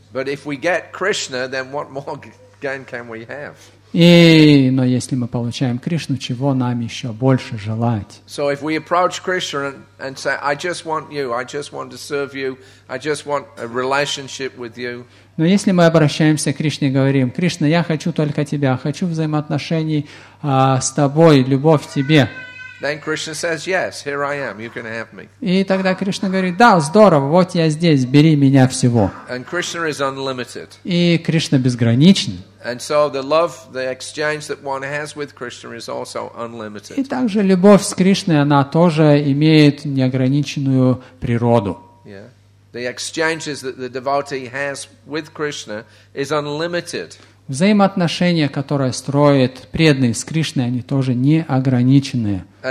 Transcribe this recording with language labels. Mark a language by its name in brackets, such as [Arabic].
[English] But if we get Krishna, then what more gain can we have? [Russian] Но если мы получаем Кришну, чего нам еще больше желать? [English] So if we approach Krishna and say, I just want you, I just want to serve you, I just want a relationship with you. [Russian] Но если мы обращаемся к Кришне и говорим: Кришна, я хочу только тебя, хочу взаимоотношений с тобой, любовь к тебе. [English] Then Krishna says, "Yes, here I am. You can have me." [Russian] И тогда Кришна говорит: "Да, здорово, вот я здесь, бери меня всего." [English] And Krishna is unlimited. [Russian] И Кришна безграничен. [English] And so the love, the exchange that one has with Krishna is also unlimited. [Russian] И также любовь с Кришной, она тоже имеет неограниченную природу. [English] Yeah. The exchanges that the devotee has with Krishna is unlimited. [Russian] Взаимоотношения, которые строит преданный с Кришной, они тоже неограниченные.